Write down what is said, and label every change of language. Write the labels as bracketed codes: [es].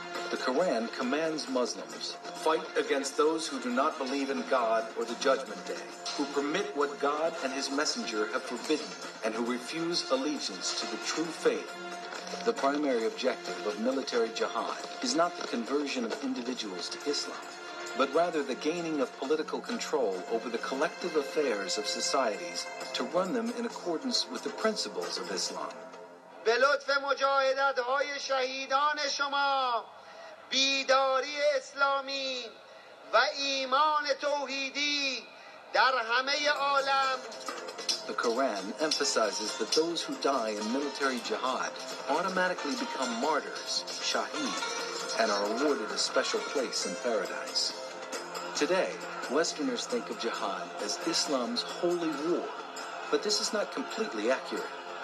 [en] The Quran commands Muslims, fight against those who do not believe in God or the judgment day, who permit what God and his messenger have forbidden, and who refuse allegiance to the true faith. The primary objective of military jihad is not the conversion of individuals to Islam, but rather the gaining of political control over the collective affairs of societies to run them in accordance with the principles of Islam. [fa] به لطف مجاهدت های شهیدان شما بیداری اسلامی و ایمان توحیدی در همه عالم. [en] The Quran emphasizes that those who die in military jihad automatically become martyrs, shaheed, and are awarded a special place in paradise. Today, Westerners think of jihad as Islam's holy war, but this is not completely accurate.